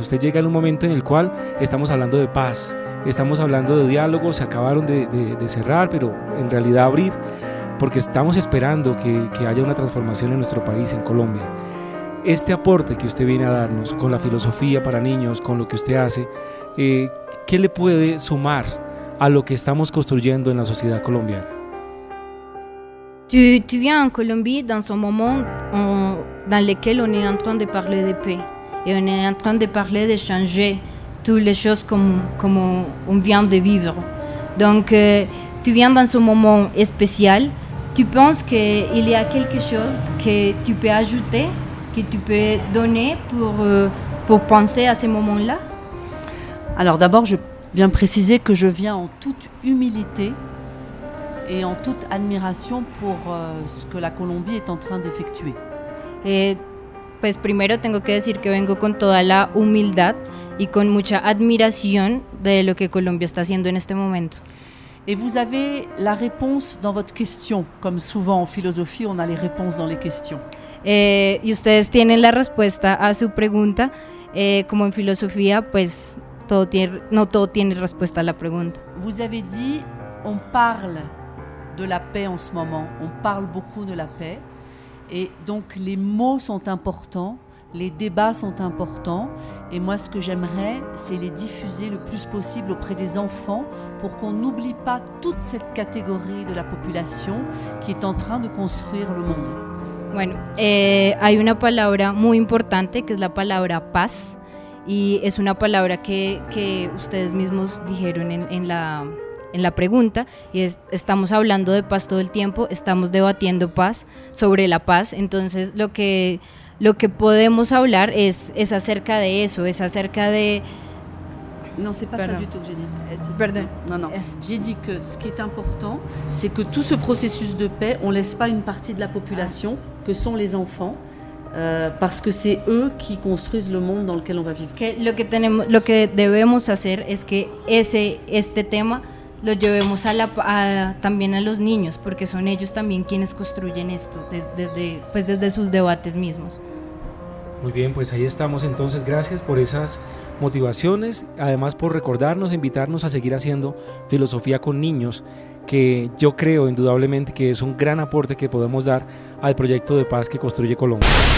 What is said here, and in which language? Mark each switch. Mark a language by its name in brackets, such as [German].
[Spanish] Usted llega en un momento en el cual estamos hablando de paz, estamos hablando de diálogo, se acabaron de cerrar, pero en realidad abrir, porque estamos esperando que haya una transformación en nuestro país, en Colombia. Este aporte que usted viene a darnos con la filosofía para niños, con lo que usted hace, ¿qué le puede sumar a lo que estamos construyendo en la sociedad colombiana? [French] Tu viens en Colombie dans un moment dans lequel on est en train de parler de paix et on est en train de parler de changer toutes les choses comme on vient de vivre. Donc tu viens dans un moment spécial. Tu penses que il y a quelque chose que tu peux ajouter, que tu peux donner pour penser à ce moment-là? Alors d'abord, je viens préciser que je viens en toute humilité et en toute admiration pour ce que la Colombie est en train d'effectuer. [Spanish] Pues primero tengo que decir que vengo con toda la humildad y con mucha admiración de lo que Colombia está haciendo en este momento. [French] Et vous avez la réponse dans votre question, comme souvent en philosophie, on a les réponses dans les questions. [Spanish] Y ustedes tienen la respuesta a su pregunta, como en filosofía, pues no todo tiene respuesta a la pregunta. [French] Vous avez dit, on parle de la paix en ce moment, on parle beaucoup de la paix, et donc les mots sont importants, les débats sont importants, et moi ce que j'aimerais, c'est les diffuser le plus possible auprès des enfants pour qu'on n'oublie pas toute cette catégorie de la population qui est en train de construire le monde. [Spanish] Bueno, hay una palabra muy importante que es la palabra paz, y es una palabra que ustedes mismos dijeron en la pregunta, y es, estamos hablando de paz todo el tiempo, estamos debatiendo paz, sobre la paz. Entonces lo que podemos hablar es acerca de eso, es acerca de... [French] No, c'est pas ça du tout que j'ai dit. [Spanish] Perdón. No. [French] J'ai dit que ce qui est important, c'est que tout ce processus de paix, on laisse pas une partie de la population, que sont les enfants, parce que c'est eux qui construisent le monde dans lequel on va vivre. [Spanish] Lo que debemos hacer es que este tema lo llevemos también a los niños, porque son ellos también quienes construyen esto desde sus debates mismos. Muy bien, pues ahí estamos entonces. Gracias por esas motivaciones, además por recordarnos, invitarnos a seguir haciendo filosofía con niños, que yo creo indudablemente que es un gran aporte que podemos dar al proyecto de paz que construye Colombia.